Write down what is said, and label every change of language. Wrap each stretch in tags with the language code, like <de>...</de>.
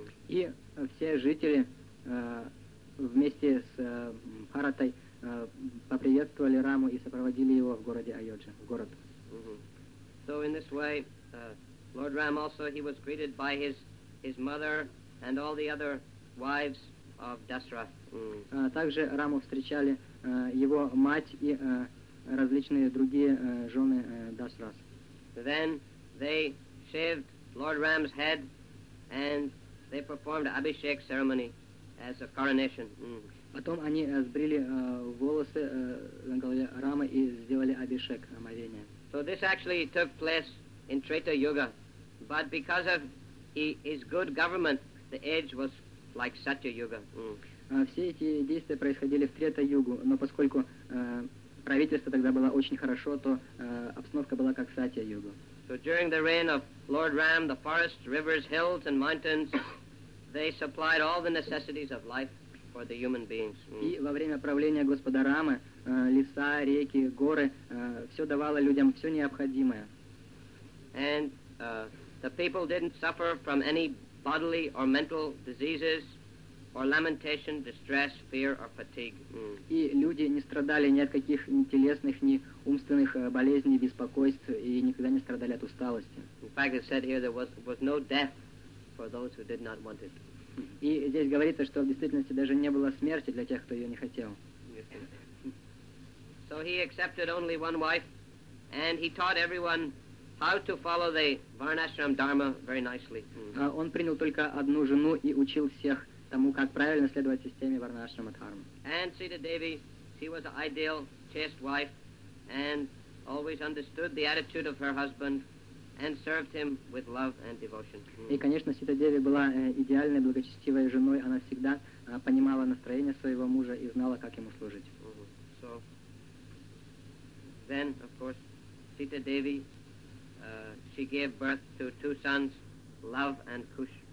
<ru>И все жители вместе с Бхаратой поприветствовали Раму и сопроводили его в городе Айоджа, в город.</ru> <en>So in this way, Lord Ram also, he was greeted by his mother and all the other wives of Dasarath.</en> <ru>Также Раму встречали его мать и различные другие жены Дасарат.</ru> <en>Then they shaved Lord Ram's head and they performed Abhishek ceremony as a coronation.</en> <ru>Потом они сбрили волосы на голове Рамы и сделали Абишек, омовение.</ru> <en>So this actually took place in Treta Yuga, but because of his good government, the age was like Satya Yuga.</en> <ru>Все эти действия происходили в Трета Югу, но поскольку правительство тогда было очень хорошо, то обстановка была как Сатья Юга.</ru> <en>So during the reign of Lord Ram, the forests, rivers, hills, and mountains, they supplied all the necessities of life for the human beings.</en> <ru>И во время правления Господа Рамы леса, реки, горы все давало людям все необходимое.</ru> <en>And the people didn't suffer from any bodily or mental diseases, or lamentation, distress, fear, or fatigue.</en> <ru>И люди не страдали ни от каких ни телесных, ни умственных болезней, беспокойств, и никогда не страдали от усталости.</ru> <en>In fact, it said here there was no death for those who did not want it.</en> <ru>И здесь говорится, что в действительности даже не было смерти для тех, кто ее не хотел.</ru> <en>So he accepted only one wife, and he taught everyone how to follow the Varnashram Dharma very nicely.</en> <ru>Он принял только одну жену и учил всех тому, как правильно следовать системе Варнашрама Дхармы.</ru> <en>And Sita Devi, she was an ideal chaste wife and always understood the attitude of her husband and served him with love and devotion.</en> <ru>И, конечно, Сита Деви была идеальной благочестивой женой. Она всегда понимала настроение своего мужа и знала, как ему служить.</ru> <en>So, then, of course, Sita Devi, she gave birth to two sons, Love and Kush.</en>